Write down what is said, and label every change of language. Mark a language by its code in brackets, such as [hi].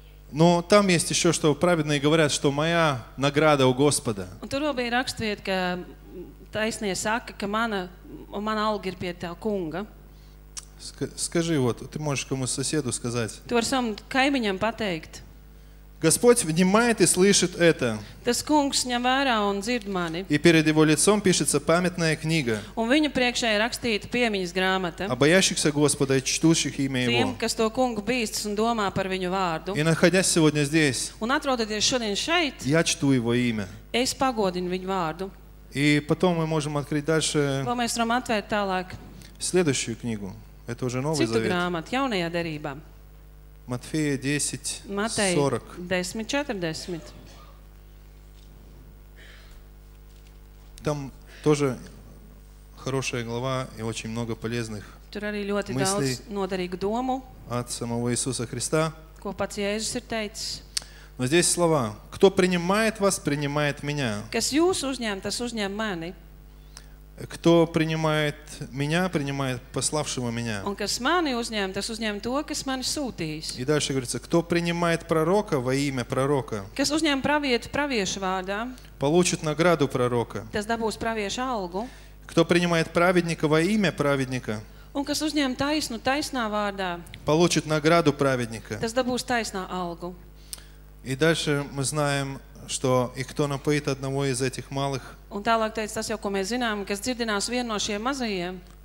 [ru] Но там есть еще, что праведные говорят, что моя награда у Господа. [lv] Un tur bija rakstviet, ka taisnie saka, ka mana alga ir pie tā kunga. [ru] Скажи вот, ты можешь кому соседу сказать. [lv] Tu var savam kaimiņam pateikt. [ru] Господь внимает и слышит это. [lv] Tas kungs ņem vērā un dzird mani. [ru] И перед его лицом пишется памятная книга. [lv] Un viņa priekšē ir rakstīta piemiņas grāmata. [ru] О боящихся Господа и чтущих имя Его. [lv] Tiem, kas to kungu bīstas un domā par viņu vārdu. [ru] И находясь сегодня здесь. [lv] Un atrodoties šodien šeit. [ru] Я чту его имя. [lv] Es pagodinu viņu vārdu. [ru] И потом мы можем открыть дальше. [lv] Vēl mēs varam atvērt tālāk. [ru] Следующую книгу. Это уже Новый Завет. [lv] Citu grāmatu, jaunajā derībā. [ru] Матфея 10:40. [lv] 10:40. [ru] Там тоже хорошая глава и очень много полезных. [lv] Tur arī ļoti daudz noderīgu domu. [ru] От самого Иисуса Христа. [lv] Ko pats Jēzus ir teicis. [ru] Но здесь слова: кто принимает вас, принимает меня. [lv] Kas jūs uzņem, tas uzņem mani. [ru] Кто принимает меня, принимает пославшего меня. [lv] Un kas mani uzņem, tas uzņem to, kas mani sūtīs. [ru] И дальше говорится, кто принимает пророка во имя пророка. [lv] Kas uzņem pravietu praviešu vārdā. [ru] Получит награду пророка. [lv] Tas dabūs praviešu algu. [ru] Кто принимает праведника во имя праведника. [lv] Un kas uzņem taisnu taisnā vārdā. [ru] Получит награду праведника. [lv] Tas dabūs taisnā algu. [ru] И дальше мы знаем, что и кто напоит одного из этих малых. [lv] Un tālāk teica tas jau, ko mēs zinām, kas dzirdinās vienu no šiem mazajiem.